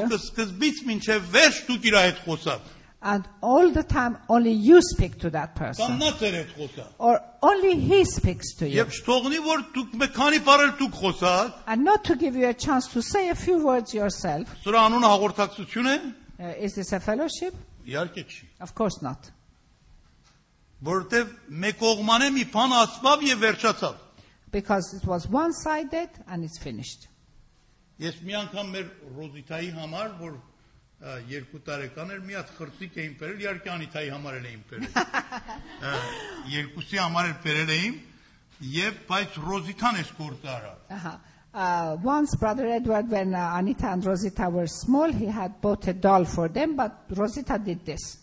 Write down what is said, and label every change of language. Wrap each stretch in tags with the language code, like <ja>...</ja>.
<hy>եւ դուք սկզբից մինչեւ վերջ դուք իր հետ խոսաք,</hy> <en>and all the time only you speak to that person,</en> <hy>կամ նա ձեր հետ խոսա,</hy> <en>or only he speaks to you,</en> <hy>եւ չթողնի որ դուք մի քանի բառ դուք խոսաք,</hy> <en>and not to give you a chance to say a few words yourself,</en> <hy>սա անունը հաղորդակցություն է,</hy> <en>is this a fellowship?</en> <hy>Իհարկե չի.</hy> <en>Of course not.</en> <hy>Որտեւ մեկողման է մի բան ասվավ եւ վերջացավ.</hy> <en>Because it was one-sided and it's finished.</en> <hy>Ես մի անգամ մեր Ռոզիտայի համար, որ երկու տարեկան էր, մի հատ խրտիկ էին բերել, իհարկե Անիտայի համար էին բերել. Երկուսի համար էլ բերել էին, եւ բայց Ռոզիտան էս գործը արա.</hy> <en>Once brother Edward, when Anita and Rosita were small, he had bought a doll for them, but Rosita did this.</en>